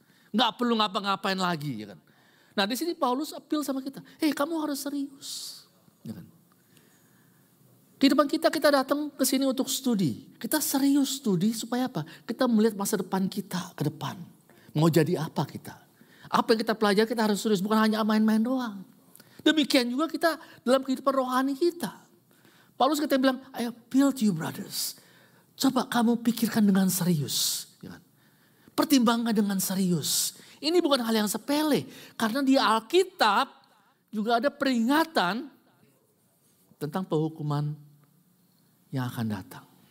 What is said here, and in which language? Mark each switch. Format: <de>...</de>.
<id>Gak perlu ngapa-ngapain lagi, ya kan? Nah di sini Paulus appeal sama kita, kamu harus serius. Ya kan? Kehidupan kita datang ke sini untuk studi. Kita serius studi supaya apa? Kita melihat masa depan kita ke depan. Mau jadi apa kita? Apa yang kita pelajari kita harus serius. Bukan hanya main-main doang. Demikian juga kita dalam kehidupan rohani kita. Paulus kita bilang,</id> <en>"I appeal to you brothers.</en> <id>Coba kamu pikirkan dengan serius. Pertimbangkan dengan serius. Ini bukan hal yang sepele. Karena di Alkitab juga ada peringatan tentang penghukuman yang akan datang.</id>